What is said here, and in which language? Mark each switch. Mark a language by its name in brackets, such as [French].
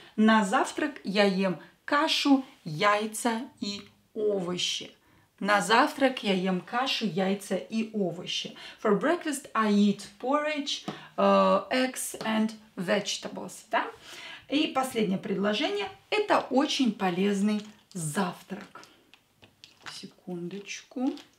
[Russian] На завтрак я ем кашу, яйца и овощи. На завтрак я ем кашу, яйца и овощи. [English] For breakfast I eat porridge, eggs and vegetables. [Russian] Да? И последнее предложение. Это очень полезный завтрак. Секундочку.